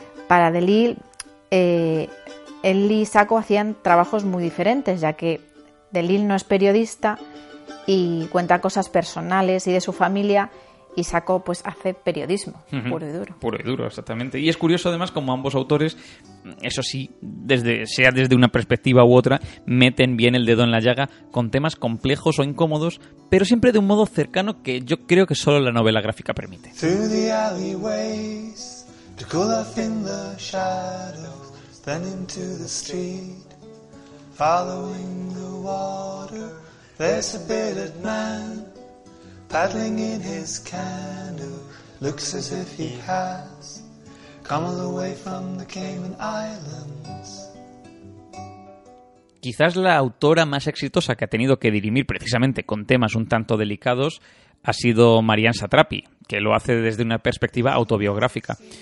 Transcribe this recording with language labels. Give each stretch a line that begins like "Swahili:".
Spanish: Para Delisle, él y Sacco hacían trabajos muy diferentes, ya que Delisle no es periodista y cuenta cosas personales y de su familia, y Sacco pues hace periodismo, puro y duro. Puro y duro, exactamente. Y es curioso además como ambos autores, eso sí, sea desde una perspectiva u otra, meten bien el dedo en la llaga con temas complejos o incómodos, pero siempre de un modo cercano que yo creo que solo la novela gráfica permite.
English: Through the alleyways, to call off in the shadows, then into the street, following the water, there's a bearded man, paddling in his canoe, looks as if he has come all the way from the Cayman Islands.
Spanish: Quizás la autora más exitosa que ha tenido que dirimir precisamente con temas un tanto delicados ha sido Marianne Satrapi, que lo hace desde una perspectiva autobiográfica.